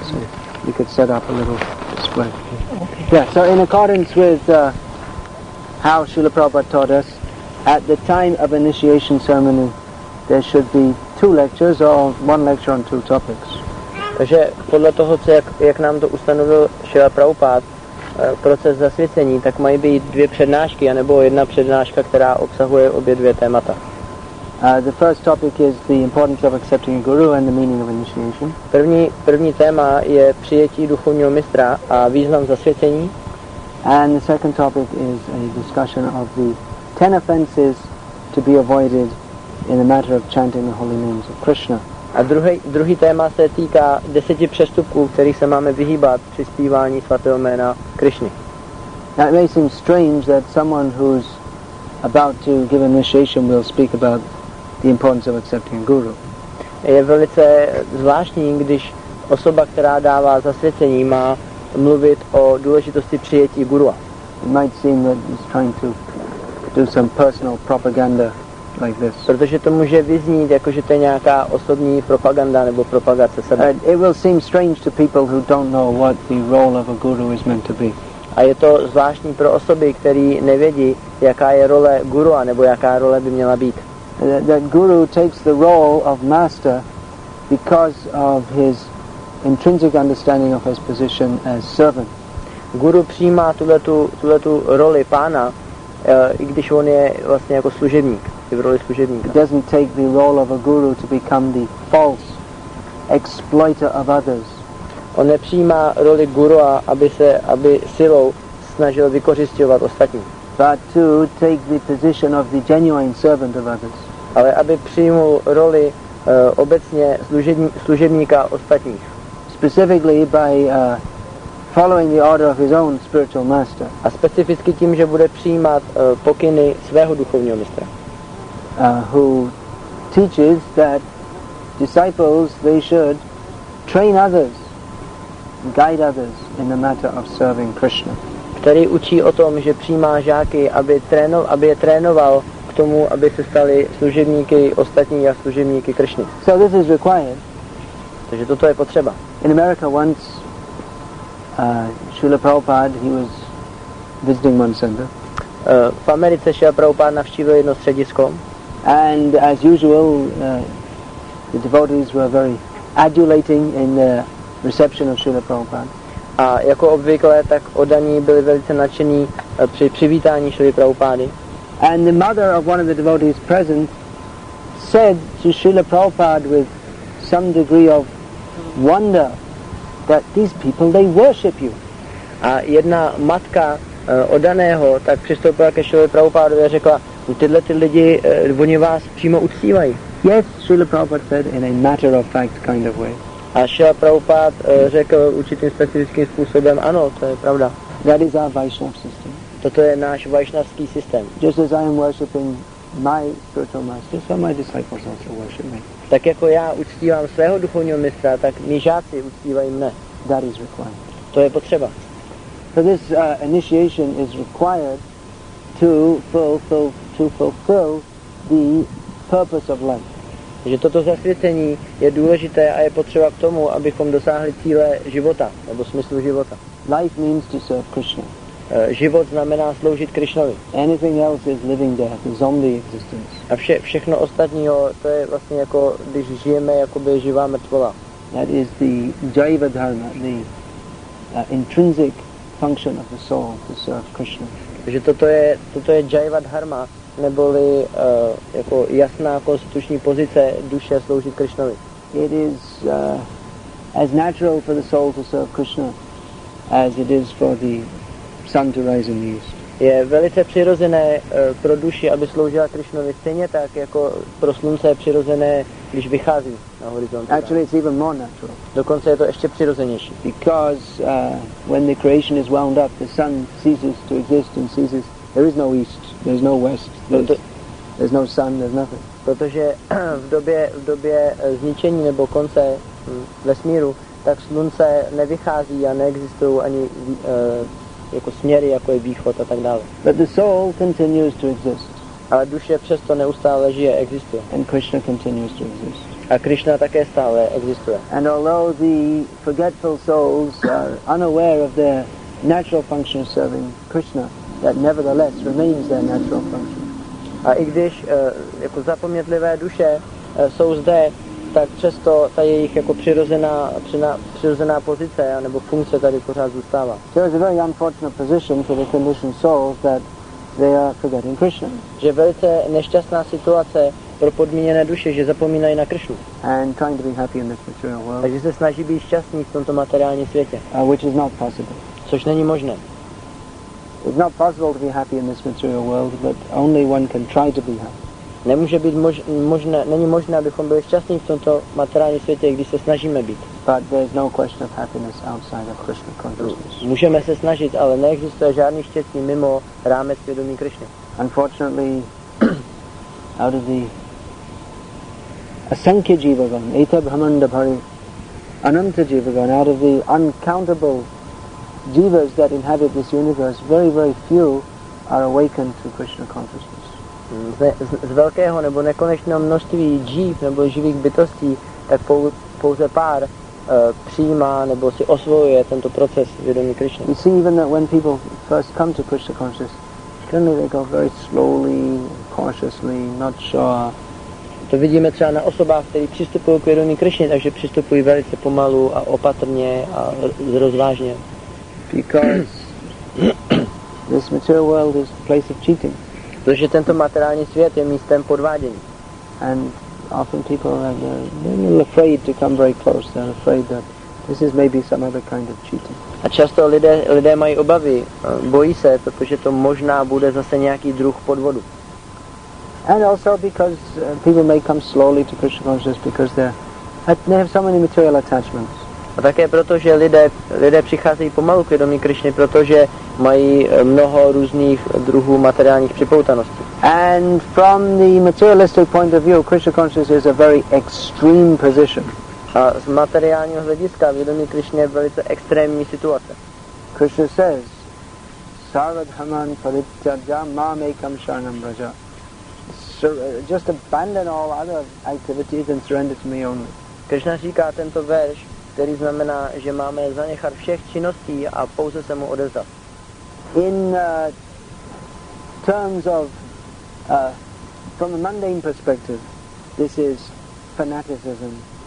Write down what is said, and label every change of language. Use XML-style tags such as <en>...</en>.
<en>so you could set up a little display. Okay. Yeah, so in accordance with how Srila Prabhupada taught us, at the time of initiation ceremony, there should be two lectures or one lecture on two topics.</en> <cs>Takže podle toho, co jak nám to ustanovil Srila Prabhupada, proces zasvěcení, tak mají být dvě přednášky, anebo jedna přednáška, která obsahuje obě dvě témata.</cs> <en>The first topic is the importance of accepting a guru and the meaning of initiation.</en> <cs>První téma je přijetí duchovního mistra a význam zasvěcení.</cs> <en>And the second topic is a discussion of the 10 offenses to be avoided in the matter of chanting the holy names of Krishna.</en> <cs>A druhý téma se týká 10 přestupků, kterých se máme vyhýbat při zpívání svatého jména Krišny.</cs> <en>Now it may seem strange that someone who's about to give initiation will speak about the importance of accepting a guru.</en> <cs>Je velice zvláštní, když osoba, která dává zasvěcení, má mluvit o důležitosti přijetí gurua.</cs> <en>It might seem that he's trying to do some personal propaganda like this.</en> <cs>Protože to může vyznít jako, že to je nějaká osobní propaganda nebo propagace sebe.</cs> <en>It will seem strange to people who don't know what the role of a guru is meant to be.</en> <cs>A je to zvláštní pro osoby, které nevědí, jaká je role gurua nebo jaká role by měla být.</cs> <en>That guru takes the role of master because of his intrinsic understanding of his position as servant.</en> <cs>Guru přijímá tuhletu roli pána, i když on je vlastně jako služebník, je v roli služebníka.</cs> <en>It doesn't take the role of a guru to become the false exploiter of others.</en> <cs>On nepřijímá roli gurua, aby silou snažil vykořisťovat ostatní.</cs> <en>But to take the position of the genuine servant of others.</en> <cs>Ale aby přijmul roli obecně služebníka ostatních.</cs> <en>Specifically by following the order of his own spiritual master.</en> <cs>A specificky tím, že bude přijímat pokyny svého duchovního mistra.</cs> <en>Who teaches that disciples, they should train others, guide others in the matter of serving Krishna.</en> <cs>Který učí o tom, že přijímá žáky, aby je trénoval k tomu, aby se stali služebníky ostatní a služebníky Krišny.</cs> <en>So this is required.</en> <cs>Takže toto je potřeba.</cs> <en>In America once, Srila Prabhupada, he was visiting one center.</en> <cs>V Americe Srila Prabhupada navštívil jedno středisko.</cs> <en>And as usual, the devotees were very adulating in the reception of Srila Prabhupada.</en> <cs>A jako obvykle, tak oddaní byli velice nadšení při přivítání Srila Prabhupády.</cs> <en>And the mother of one of the devotees present said to Srila Prabhupada with some degree of wonder that these people, they worship you.</en> <cs>A jedna matka oddaného tak přistoupila ke Srila Prabhupádovi a řekla, tyhle ty lidi, oni vás přímo uctívají.</cs> <en>Yes, Srila Prabhupada said in a matter of fact kind of way.</en> <cs>A Srila Prabhupada řekl určitým specifickým způsobem, ano, to je pravda.</cs> <en>That is our Vaishnav system.</en> <cs>Toto je náš vaishnavský systém.</cs> <en>Just as I am worshipping my spiritual master, so my disciples also worship me.</en> <cs>Tak jako já uctívám svého duchovního mistra, tak mý žáci uctívají mne.</cs> <en>That is required.</en> <cs>To je potřeba.</cs> <en>So this initiation is required to fulfill the purpose of life.</en> <cs>Že toto zasvěcení je důležité a je potřeba k tomu, abychom dosáhli cíle života, nebo smyslu života.</cs> <en>Life means to serve Krishna.</en> <cs>Život znamená sloužit Krishnovi.</cs> <en>Anything else is living death, the zombie existence.</en> <cs>A všechno ostatního, to je vlastně jako, když žijeme, jakoby živá mrtvola.</cs> <en>That is the jiva dharma, the intrinsic function of the soul to serve Krishna.</en> <cs>Že toto je jiva dharma, neboli jako jasná konstituční pozice duše sloužit Krišnovi.</cs> <en>It is as natural for the soul to serve Krishna as it is for the sun to rise in the east.</en> <cs>Je velice přirozené pro duši, aby sloužila Krišnovi, stejně tak jako pro slunce je přirozené když vychází na horizont.</cs> <en>Actually, it's even more natural.</en> <cs>Dokonce je to ještě přirozenější.</cs> <en>Because when the creation is wound up, the sun ceases to exist and ceases. There is no east, there's no west, there's no sun, there's nothing.</en> <cs>Protože v době zničení nebo konce vesmíru, tak slunce nevychází a neexistují ani jako směry, jako je východ a tak dále.</cs> <en>But the soul continues to exist.</en> <cs>Ale duše přesto neustále žije, existuje.</cs> <en>And Krishna continues to exist.</en> <cs>A Krishna také stále existuje.</cs> <en>And although the forgetful souls are unaware of their natural function of serving Krishna, that nevertheless remains their natural function.</en> <cs>A i když jako zapomnětlivé duše jsou zde, tak přesto ta jejich jako přirozená pozice nebo funkce tady pořád zůstává.</cs> <en>So it's a very unfortunate position for the conditioned souls that they are forgetting Krishna.</en> <cs>Že velice nešťastná situace pro podmíněné duše, že zapomínají na Krishnu.</cs> <en>And trying to be happy in this material world.</en> <cs>A že se snaží být šťastný v tomto materiálním světě.</cs> <en>Which is not possible.</en> <cs>Což není možné.</cs> <en>It's not possible to be happy in this material world, but only one can try to be happy.</en> <cs>Nemůže být možné, není možné, abychom byli šťastní v tomto materiálním světě, když se snažíme být.</cs> <en>But there's no question of happiness outside of Krishna consciousness.</en> <cs>Můžeme se snažit, ale neexistuje žádný štěstí mimo rámec vědomí Krishny.</cs> <en>Unfortunately, out of the</en> <bn>asankhya jivagan, eta bhamanda bhari, ananta jivagan,</bn> <en>out of the uncountable jivas that inhabit this universe, very, very few are awakened to Krishna consciousness.</en> <cs>Z velkého nebo nekonečného množství jiv nebo živých bytostí, tak pouze pár přijímá nebo si osvojuje tento proces vědomí Krishna.</cs> <en>You see, even that when people first come to Krishna consciousness, generally they go very slowly, cautiously, not sure.</en> <cs>To vidíme třeba na osobách, které přistupují k vědomí Krishna, takže přistupují velice pomalu a opatrně a rozvážně.</cs> <en>Because this material world is a place of cheating.</en> <cs>Protože tento materiální svět je místem podvádění.</cs> <en>And often people are a little afraid to come very close. They're afraid that this is maybe some other kind of cheating.</en> <cs>A často lidé mají obavy, bojí se, protože to možná bude zase nějaký druh podvodu.</cs> <en>And also because people may come slowly to Krishna consciousness because they have so many material attachments.</en> <cs>A také proto, že lidé přicházejí pomalu k vědomí Krišny, protože mají mnoho různých druhů materiálních připoutaností.</cs> <en>And from the materialistic point of view, Krishna consciousness is a very extreme position.</en> <cs>A z materiálního hlediska vědomí Krišny je velice extrémní situace.</cs> <en>Krishna says,</en> <sa>Sarvadhaman parityaja mam ekam sharanam raja.</sa> <en>Just abandon all other activities and surrender to me only.</en> <cs>Krishna říká tento verš, který znamená, že máme zanechat všech činností a pouze se mu odevzdat.</cs> <en>In terms of from a mundane perspective, this is fanaticism.</en>